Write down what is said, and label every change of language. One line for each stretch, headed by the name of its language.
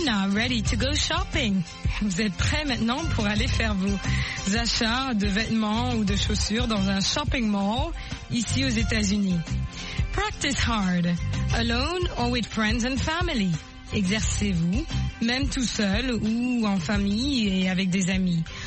English: Ready to go shopping.
French: Vous êtes prêts maintenant pour aller faire vos achats de vêtements ou de chaussures dans un shopping mall ici aux États-Unis.
English: Practice hard, alone or with friends and family.
French: Exercez-vous, même tout seul ou en famille et avec des amis.